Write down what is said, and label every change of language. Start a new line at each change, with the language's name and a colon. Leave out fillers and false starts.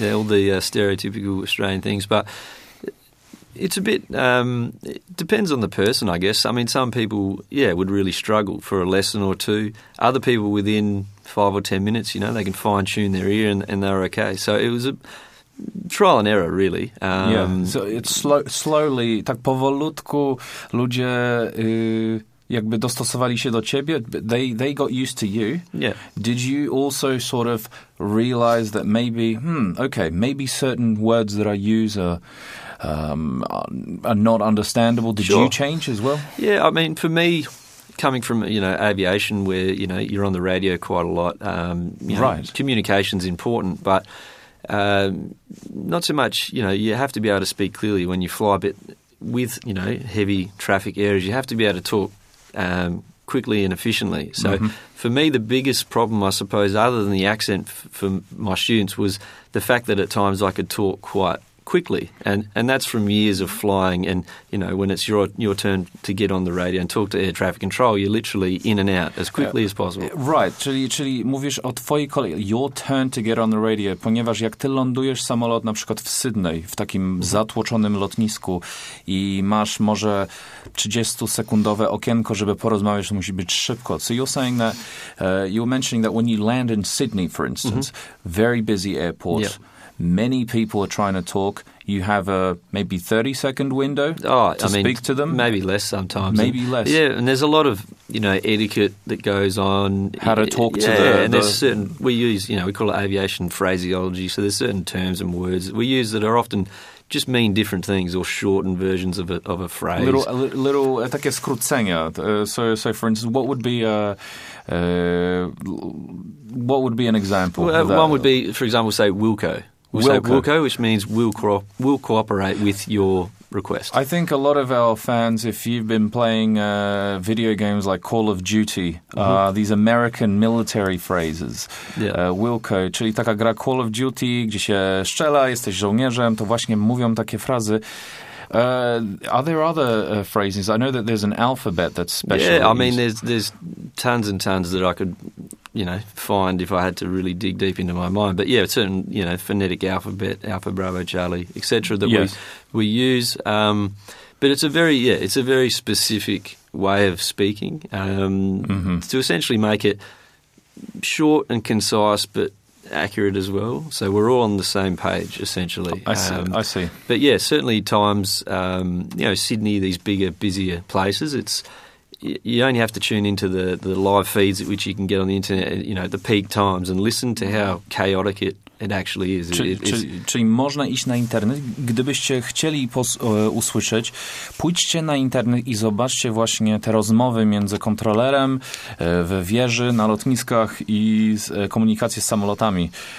English: Yeah, all the stereotypical Australian things, but... It's a bit it depends on the person, I guess. I mean, some people, would really struggle for a lesson or two. Other people within 5 or 10 minutes, you know, they can fine-tune their ear and they're okay. So it was a trial and error, really. So it's slowly,
Polish: tak powolutku ludzie jakby dostosowali się do ciebie.
English: They got used to you. Yeah. Did you also sort of realize that maybe certain words that I use are not understandable. Did you change as well? Yeah, I mean, for me, coming from, you know, aviation where, you know, you're on the radio quite a lot, communication's important, but not so much, you know, you have to be able to speak clearly when you fly a bit with, you know, heavy traffic areas. You have to be able to talk quickly and efficiently. So for me, the biggest problem, I suppose, other than the accent for my students was the fact that at times I could talk quite quickly, and that's from years of flying. And you know, when it's your turn to get on the radio and talk to air traffic control, you're literally in and out as quickly as possible. Right.
Polish: Czyli mówisz o twojej kolei,
English: your turn to get on the radio,
Polish: ponieważ jak ty lądujesz samolot na przykład w Sydney, w takim zatłoczonym lotnisku i masz może 30-sekundowe okienko, żeby porozmawiać, to musi być szybko.
English: So you're saying that you were mentioning that when you land in Sydney, for instance, very busy airport. Yep. Many people are trying to talk. You have a maybe 30-second window speak to them. Maybe less sometimes. Maybe less. Yeah, and there's a lot of, you know, etiquette that goes on. How to talk to there's certain, we use, you know, we call it aviation phraseology. So there's certain terms and words that we use that are often just mean different things or shortened versions of a phrase. Little
Polish: takie skrócenia.
English: So for instance, what would be a... what would be an example? Well, one would be, for example, say Wilco. Wilco, which means we'll cooperate with your request. I think a lot of our fans, if you've been playing video games like Call of Duty, these American military phrases, Wilco,
Polish: czyli taka gra Call of Duty, gdzie się strzela, jesteś żołnierzem, to właśnie mówią takie frazy.
English: Are there other phrases? I know that there's an alphabet that's special. Yeah, I mean, there's tons and tons that I could, you know, find if I had to really dig deep into my mind. But yeah, certain, you know, phonetic alphabet, Alpha Bravo Charlie, etc. That we use. But it's a very specific way of speaking to essentially make it short and concise, but accurate as well. So we're all on the same page, essentially. I see. But yeah, certainly times, you know, Sydney, these bigger, busier places, it's you only have to tune into the live feeds at which you can get on the internet, you know, at the peak times and listen to how chaotic it actually is.
Polish: Czyli można iść na internet, gdybyście chcieli usłyszeć, pójdźcie na internet i zobaczcie właśnie te rozmowy między kontrolerem w wieży, na lotniskach i komunikację z samolotami.